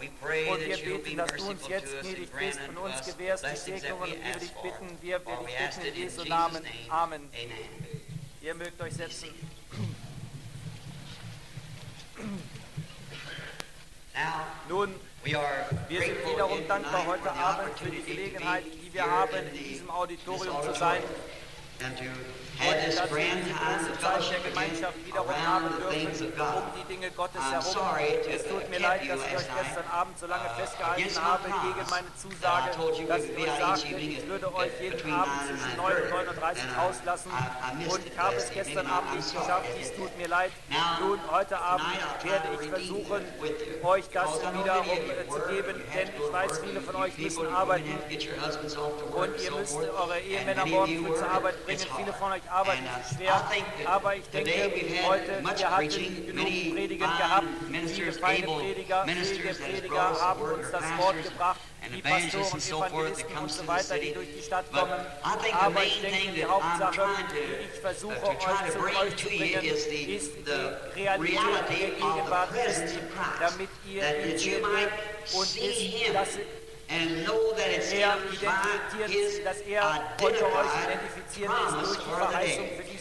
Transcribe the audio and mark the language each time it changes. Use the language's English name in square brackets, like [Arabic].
[German] Und wir beten, dass du uns jetzt gnädig bist und uns gewährst die Segnungen, und wir dich bitten, wir dich bitten in Jesu Namen. Amen. Ihr mögt euch setzen. Nun, wir sind wiederum dankbar heute Abend für die Gelegenheit, die wir haben, in diesem Auditorium zu sein. [English] had this grand time of fellowship again around the things of God. I'm sorry to keep you last night against my promise that I told you would be out each evening between 9 and 9:30. I missed it last evening. I'm sorry. [German] Es tut mir leid. Nun, heute Abend werde ich versuchen, euch das wiederum zu geben, denn ich weiß, viele von euch müssen arbeiten und ihr müsst eure Ehemänner morgen früh zur Arbeit bringen. Viele von euch arbeiten schwer, aber ich denke, heute, wir hatten genug Predigen gehabt, viele feine Prediger, viele Prediger haben uns das Wort gebracht. [English] And evangelists and so forth that comes to the city. But I think the main thing that I'm trying to bring to you is the reality of the presence of Christ, that you might see Him and know that it's Him by His identified promise for the day.